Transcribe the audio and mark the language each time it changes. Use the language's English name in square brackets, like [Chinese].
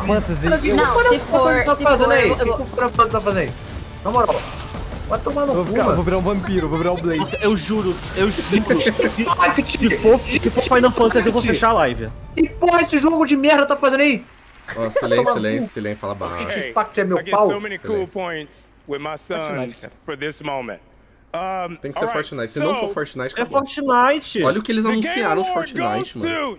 [Portuguese] Fantasy. Não, se for. O que o Fantasy tá fazendo aí? Na moral. Vai tomar no cu. Vou virar um vampiro, vou virar um Blaze. Eu juro. Se for Final Fantasy, eu vou fechar a live. E porra, esse jogo de merda tá fazendo aí? Oh, silêncio, fala barra. Esse impacto é meu pau. [English] So many cool points with my sons for this moment. [Portuguese] Tem que ser Fortnite. Se não for Fortnite, acabou. É Fortnite. Olha o que eles anunciaram de Fortnite, mano.